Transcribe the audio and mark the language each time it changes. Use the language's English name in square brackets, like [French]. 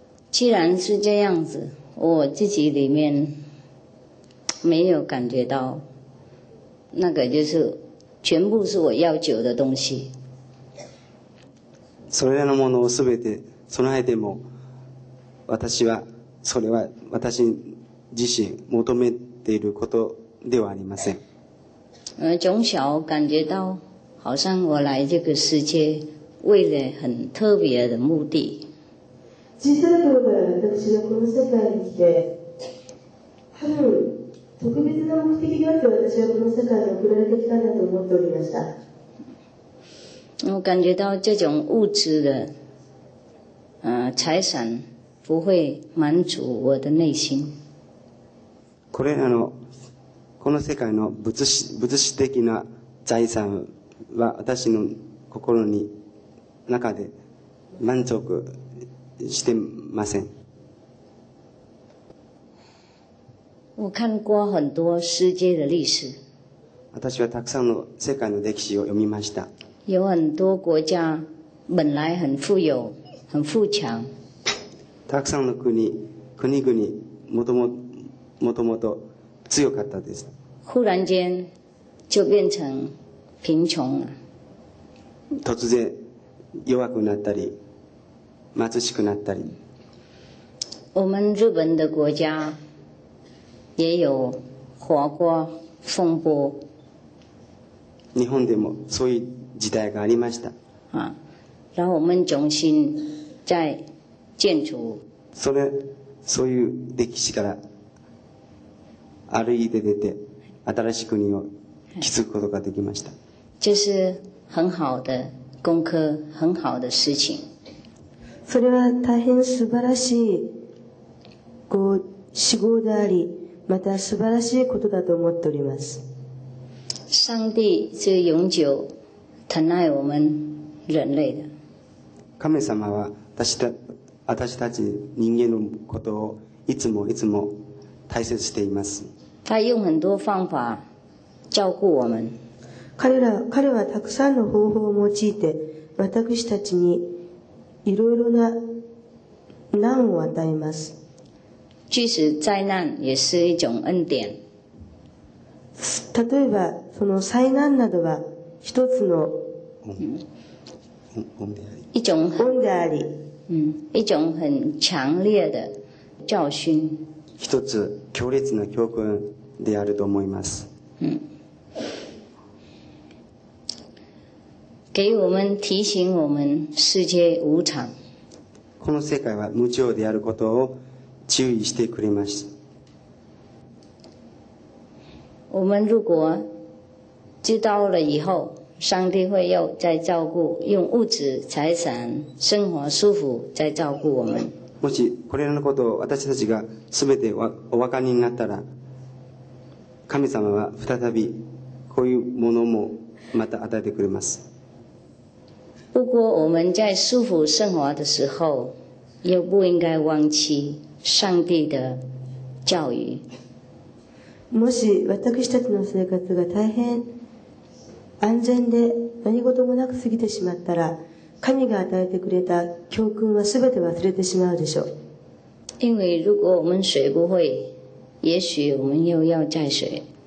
[Chinese] 既然是这样子，我自己里面没有感觉到那个，就是全部是我要求的东西。 [Japanese] それらのものをすべて備えても。私はそれは私自身求めていることではありません。 [Chinese] 从小感觉到好像我来这个世界为了很特别的目的。 [Japanese] 小さい頃から私はこの世界に来て、多分特別な目的があって私はこの世界に送られてきたんだと思っておりました。 [Chinese] 我感觉到这种物质的财产。不会满足我的内心。 [Japanese] これらのこの世界の物質的な財産は私の心に中で満足してません。 [Chinese] 我看过很多世界的历史。 [Japanese] 私はたくさんの世界の歴史を読みました。 [Chinese] 有很多国家本来很富有、很富强。 [Japanese] たくさんの国々もともと強かったです。 [Chinese] 忽然间就变成贫穷了。 [Japanese] 突然弱くなったり貧しくなったり。 [Chinese] 我们日本的国家也有活过风波。 [Japanese] 日本でもそういう時代がありました。 [Chinese] 啊，然后我们重新在建筑。 [Japanese] そういう歴史から歩いて出て新しい国を築くことができました。 [Chinese] 这是很好的功课，很好的事情。 [Japanese] それは大変素晴らしい仕事であり、また素晴らしいことだと思っております。 [Chinese] 上帝是永久疼爱我们人类的。 [Japanese] 神様は私たち人間のことをいつもいつも大切しています。 [Chinese] 他用很多方法照顾我们。 [Japanese] 彼はたくさんの方法を用いて私たちにいろいろな難を与えます。 [Chinese] 即使灾难也是一种恩典。 [Japanese] 例えばその災難などは一つの恩であり。 [Chinese] 一种很强烈的教训。 [Japanese] 一つ強烈な教訓であると思います。 [Chinese] 给我们提醒我们世界无常。 [Japanese] この世界は無常であることを注意してくれます。 [Chinese] 我们如果知道了以后。上帝会又再照顾，用物质、财产、生活舒服再照顾我们。 [Japanese] もしこれらのことを私たちがすべてお分かりになったら、神様は再びこういうものもまた与えてくれます。 [Chinese] 不过我们在舒服生活的时候，又不应该忘记上帝的教育。 [Japanese] もし私たちの生活が大変安全で何事もなく過ぎてしまったら、神が与えてくれた教訓はすべて忘れてしまうでしょう。 [Chinese] 因为如果我们学不会，也许我们又要再学。